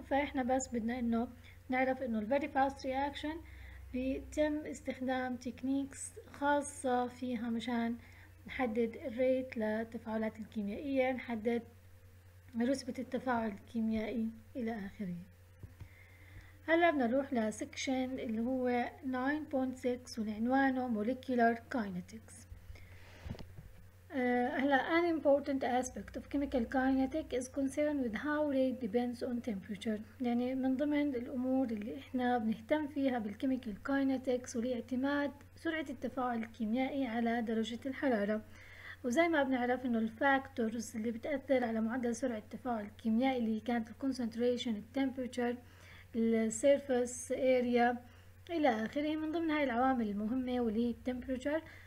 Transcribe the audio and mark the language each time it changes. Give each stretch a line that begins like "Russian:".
Arabic: فاحنا بس بدنا انه نعرف انه الفيري فاست رياكشن بيتم استخدام تكنيكس خاصة فيها مشان نحدد الريت للتفاعلات الكيميائية، نحدد رتبة التفاعل الكيميائي الى اخره. هلا بدنا نروح لسكشن اللي هو 9.6 والعنوانه molecular kinetics.
English: هلا an important aspect of chemical kinetics is concerned with how rate depends on temperature.
Arabic: يعني من ضمن الامور اللي احنا بنهتم فيها بالchemical kinetics واللي اعتماد سرعة التفاعل الكيميائي على درجة الحرارة. وزي ما بنعرف انه الفاكتورز اللي بتأثر على معدل سرعة التفاعل الكيميائي اللي كانت الكونسنتريشن التمبرتشر السيرفس اريا الى اخره، من ضمن هاي العوامل المهمة واللي هي التمبرتشر.